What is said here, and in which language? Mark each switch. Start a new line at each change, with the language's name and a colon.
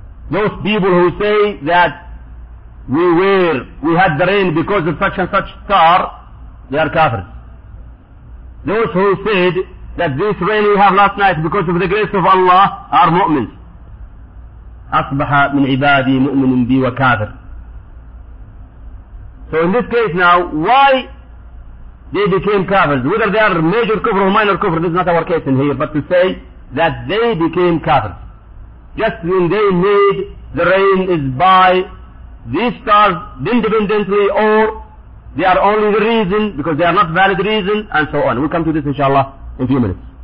English: Those people who say that we had the rain because of such and such star, they are kafir. Those who said that this rain we have last night because of the grace of Allah are mu'min.
Arabic: أصبح من عبادي مؤمن بي وكافر.
English: So in this case now, why they became kafirs? Whether they are major kufr or minor kufr, this is not our case in here, but to say that they became kafirs. Just when they made the rain is by these stars independently, or they are only the reason because they are not valid reason, and so on. We'll come to this inshallah in a few minutes.